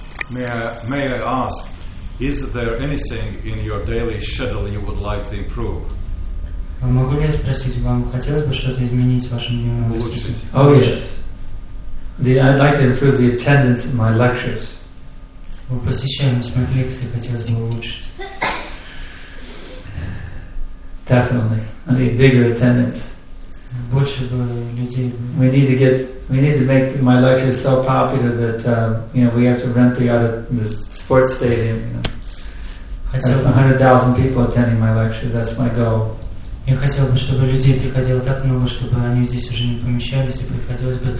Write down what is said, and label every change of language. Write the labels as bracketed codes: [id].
[en] May I ask, is there anything in your daily schedule you would like to improve? [ru] Могу ли я спросить, вам хотелось бы что-то изменить в вашем дневном расписании? [en] Oh, yes. I'd like to improve the attendance in my lectures. [ru] Вы посещаемость моих лекций хотелось бы улучшить. [en] Definitely. I need bigger attendance. [ru] Больше бы людей. [en] We need to make my lectures so popular that we have to rent the sports stadium. You know. [ru] Хотел бы [en] 100,000 people attending my lectures. That's my goal. [ru] Я хотел бы, чтобы людей приходило так много, чтобы они здесь уже не помещались и приходилось бы.